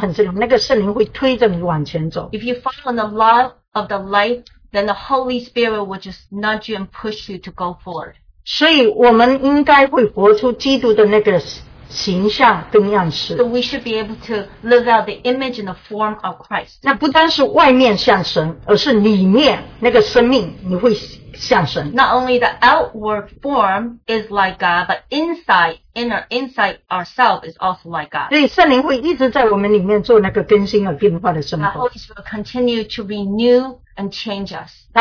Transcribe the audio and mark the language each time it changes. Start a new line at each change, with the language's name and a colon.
Chinese: 所以你顺着那个圣灵的规律，那个律走的时候，很自然，那个圣灵会推着你往前走。
English: If you follow the law of the light, then the Holy Spirit will just nudge you and push you to go forward.
Chinese: 所以我们应该会活出基督的那个形象跟样式。
English: So we should be able to live out the image and the form of Christ.
Chinese: 那不单是外面像神，而是里面那个生命，你会。像神,
English: Not only the outward form is like God, but inside, inner, inside ourselves is also like God.
Chinese: 所以圣灵会一直在我们里面做那个更新和变化的生活。
English: The Holy Spirit will continue to renew and change us.